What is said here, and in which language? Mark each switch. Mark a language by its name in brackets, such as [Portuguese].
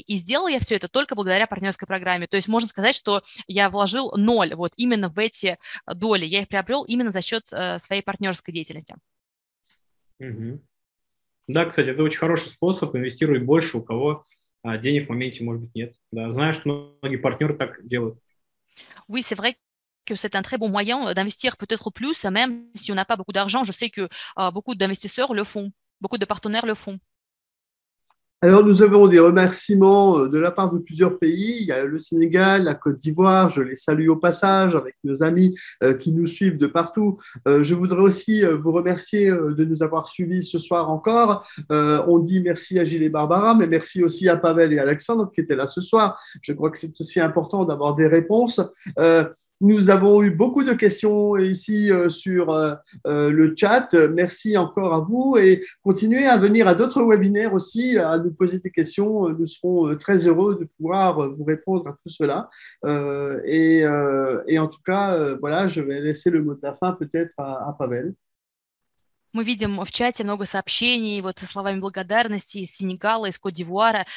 [Russian] И сделал я все это только благодаря партнерской программе. То есть можно сказать, что я вложил ноль вот именно в эти доли. Я их приобрел именно за счет своей партнерской деятельности. Да, кстати, это очень хороший способ инвестировать больше, у кого денег в моменте, может быть, нет. Да, знаю, что многие партнеры так делают. [French] Oui, c'est vrai que c'est un très bon moyen d'investir peut-être plus, même si on n'a pas beaucoup d'argent. Je sais que beaucoup d'investisseurs le font, beaucoup de partenaires le font. Alors, nous avons des remerciements de la part de plusieurs pays. Il y a le Sénégal, la Côte d'Ivoire. Je les salue au passage avec nos amis qui nous suivent de partout. Je voudrais aussi vous remercier de nous avoir suivis ce soir encore. On dit merci à Gilles et Barbara, mais merci aussi à Pavel et Alexandre qui étaient là ce soir. Je crois que c'est aussi important d'avoir des réponses. Nous avons eu beaucoup de questions ici sur le chat. Merci encore à vous et continuez à venir à d'autres webinaires aussi, à nous poser des questions. Nous serons très heureux de pouvoir vous répondre à tout cela. Et en tout cas, voilà, je vais laisser le mot de la fin peut-être à Pavel. [Russian] Мы видим в чате много сообщений вот со словами благодарности из Сенегала, из Кот-д'Ивуара.